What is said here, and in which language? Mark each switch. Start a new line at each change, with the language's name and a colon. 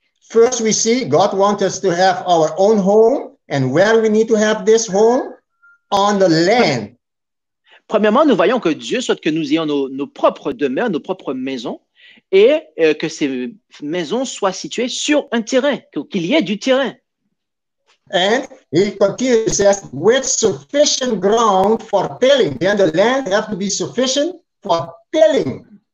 English: First, we see God wants us to have our own home, and where we need to have this home? On the land.
French: Premièrement, nous voyons que Dieu souhaite que nous ayons nos propres demeures, nos propres maisons, et que ces maisons soient situées sur un terrain, qu'il y ait du terrain.
English: And he continues, says, with sufficient ground for tilling. Then the land has to be sufficient for tilling.